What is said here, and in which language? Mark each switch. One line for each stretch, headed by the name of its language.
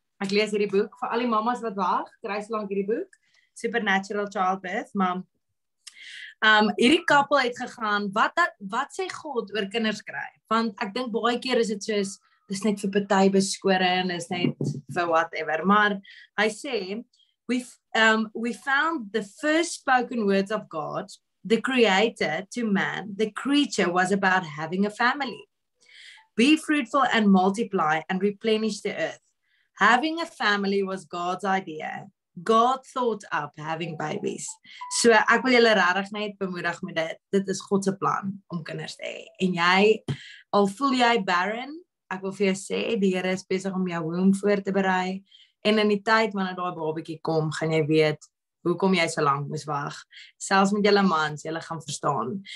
Afrikaans: Ek lees hierdie boek vir al die mamas wat wag, kry so lank hierdie boek, Supernatural Childbirth, maar hierdie kappel het gegaan, wat sê God oor kinders kry? Want ek dink baie keer is het soos, dis net vir party beskore en is net vir whatever, maar hy sê,
English: we found the first spoken words of God, the creator to man, the creature was about having a family. Be fruitful and multiply and replenish the earth. Having a family was God's idea. God thought up having babies.
Afrikaans: So ek wil julle regtig net bemoedig met dit. Dit is God se plan om kinders te hê. En jy, al voel jy barren, ek wil vir jou sê, die Here is besig om jou womb voor te berei. En in die tyd wanneer daai babietjie kom, gaan jy weet hoekom jy so lank moes wag. Selfs met julle mans, julle gaan verstaan.